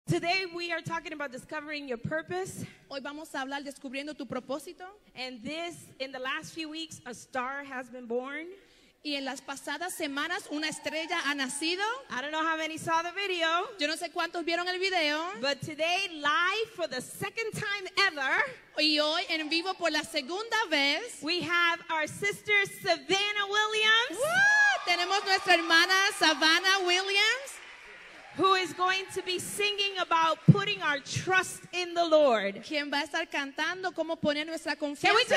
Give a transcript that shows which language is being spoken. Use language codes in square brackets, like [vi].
[en] Today we are talking about discovering your purpose. [es] Hoy vamos a hablar descubriendo tu propósito. [en] And this, in the last few weeks, a star has been born. [es] Y en las pasadas semanas, una estrella ha nacido. [en] I don't know how many saw the video. [es] Yo no sé cuántos vieron el video. [en] But today, live for the second time ever. [es] Y hoy, en vivo por la segunda vez. [en] We have our sister Savannah Williams. [es] Woo! Tenemos nuestra hermana Savannah Williams. [en] Who is going to be singing about putting our trust in the Lord. [es] ¿Quién va a estar cantando cómo poner nuestra confianza